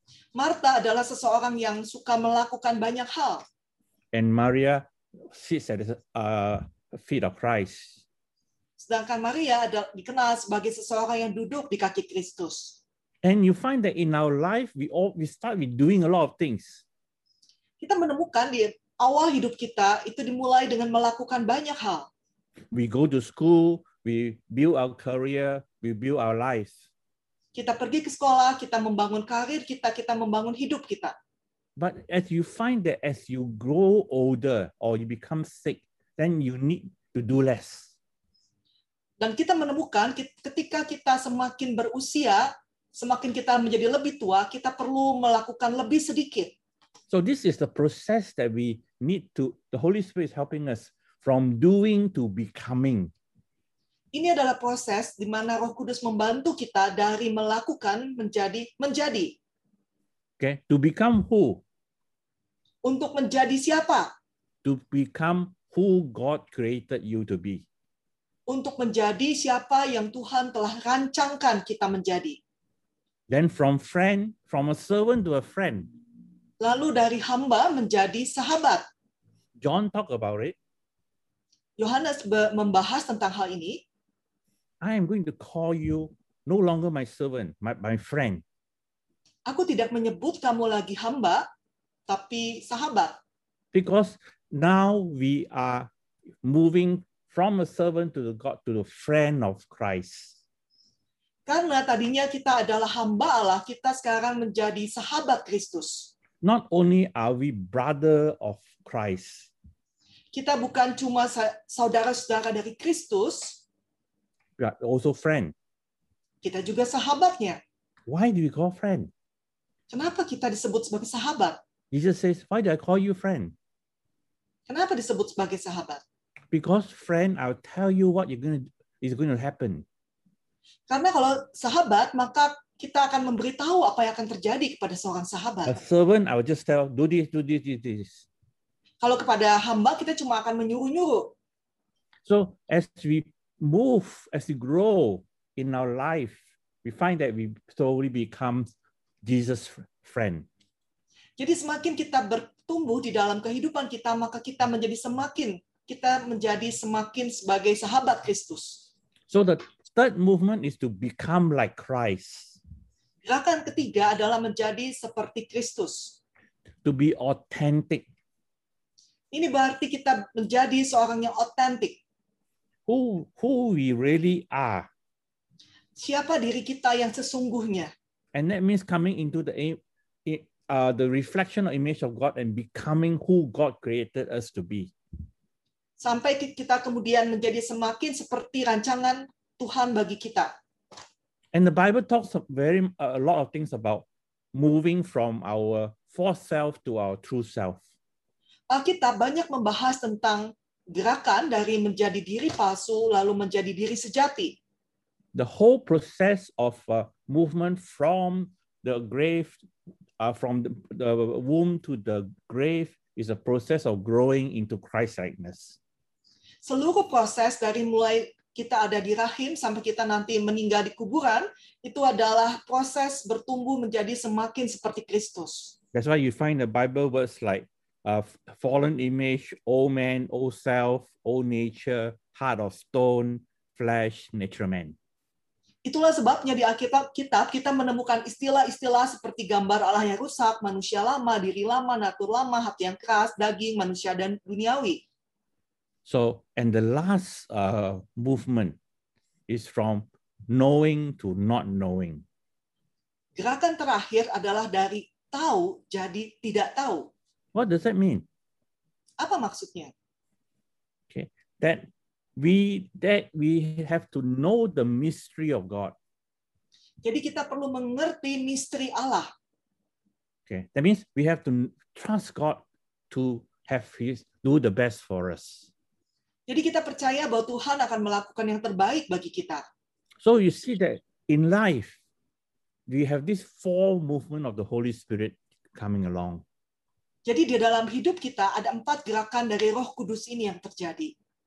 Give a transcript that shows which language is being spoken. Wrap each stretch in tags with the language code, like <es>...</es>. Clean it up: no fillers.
<id>Martha adalah seseorang yang suka melakukan banyak hal.</id> <en>And Maria sits at the feet of Christ.</en> <id>Sedangkan Maria adalah dikenal sebagai seseorang yang duduk di kaki Kristus.</id> <en>And you find that in our life we start with doing a lot of things.</en> <id>Kita menemukan di awal hidup kita itu dimulai dengan melakukan banyak hal.</id> <en>We go to school, we build our career, we build our life.</en> <id>Kita pergi ke sekolah, kita membangun karir kita, kita membangun hidup kita.</id> <en>But as you find that as you grow older or you become sick, then you need to do less.</en> <id>Dan kita menemukan ketika kita semakin berusia, semakin kita menjadi lebih tua, kita perlu melakukan lebih sedikit.</id> <en>So this is the process that we need to, the Holy Spirit is helping us from doing to becoming.</en> <id>Ini adalah proses di mana Roh Kudus membantu kita dari melakukan menjadi menjadi.</id> <en>Okay, to become who?</en> <id>Untuk menjadi siapa?</id> <en>To become who God created you to be.</en> <id>Untuk menjadi siapa yang Tuhan telah rancangkan kita menjadi.</id> <en>Then from friend, from a servant to a friend.</en> <id>Lalu dari hamba menjadi sahabat.</id> <en>John talk about it.</en> <id>Yohanes membahas tentang hal ini.</id> <en>I am going to call you no longer my servant, my friend.</en> <id>Aku tidak menyebut kamu lagi hamba, tapi sahabat.</id> <en>Because now we are moving from a servant to the God to the friend of Christ.</en> <id>Karena tadinya kita adalah hamba Allah, kita sekarang menjadi sahabat Kristus.</id> <en>Not only are we brother of Christ.</en> <id>Kita bukan cuma saudara-saudara dari Kristus.</id> <en>We are also friend.</en> <id>Kita juga sahabatnya.</id> <en>Why do we call friend?</en> <id>Kenapa kita disebut sebagai sahabat?</id> <en>Jesus says, why do I call you friend?</en> <id>Kenapa disebut sebagai sahabat?</id> <en>Because friend, I'll tell you what is going to happen.</en> <id>Karena kalau sahabat, maka kita akan memberitahu apa yang akan terjadi kepada seorang sahabat.</id> <en>A servant, I will just tell, do this, do this, do this.</en> <id>Kalau kepada hamba, kita cuma akan menyuruh-nyuruh.</id> <en>So, as we move, as we grow in our life, we find that we slowly become Jesus' friend.</en> <id>Jadi semakin kita bertumbuh di dalam kehidupan kita, maka kita menjadi semakin, kita menjadi semakin sebagai sahabat Kristus.</id> <en>So the third movement is to become like Christ.</en> <id>Gerakan ketiga adalah menjadi seperti Kristus.</id> <en>To be authentic.</en> <id>Ini berarti kita menjadi seorang yang authentic.</id> <en>Who we really are.</en> <id>Siapa diri kita yang sesungguhnya.</id> <en>And that means coming into the reflection or image of God and becoming who God created us to be.</en> <id>Sampai kita kemudian menjadi semakin seperti rancangan Tuhan bagi kita.</id> <en>And the Bible talks a lot of things about moving from our false self to our true self.</en> <id>Alkitab banyak membahas tentang gerakan dari menjadi diri palsu lalu menjadi diri sejati.</id> <en>The whole process of movement from the grave, from the womb to the grave is a process of growing into Christ-likeness.</en> <id>Seluruh proses dari mulai kita ada di rahim sampai kita nanti meninggal di kuburan, itu adalah proses bertumbuh menjadi semakin seperti Kristus.</id> <en>That's why you find the Bible words like fallen image, old man, old self, old nature, heart of stone, flesh, natural man.</en> <id>Itulah sebabnya di Alkitab kita menemukan istilah-istilah seperti gambar Allah yang rusak, manusia lama, diri lama, natur lama, hati yang keras, daging, manusia, dan duniawi.</id> <en>So, and the last movement is from knowing to not knowing.</en> <id>Gerakan terakhir adalah dari tahu jadi tidak tahu.</id> <en>What does that mean?</en> <id>Apa maksudnya?</id> <en>Okay, that we have to know the mystery of God.</en> <id>Jadi kita perlu mengerti misteri Allah.</id> <en>Okay, that means we have to trust God to have His do the best for us.</en> <id>Jadi kita percaya bahwa Tuhan akan melakukan yang terbaik bagi kita.</id> <en>So you see that in life, we have this four movement of the Holy Spirit coming along.</en> <id>Jadi di dalam hidup kita ada empat gerakan dari Roh Kudus ini yang terjadi.</id>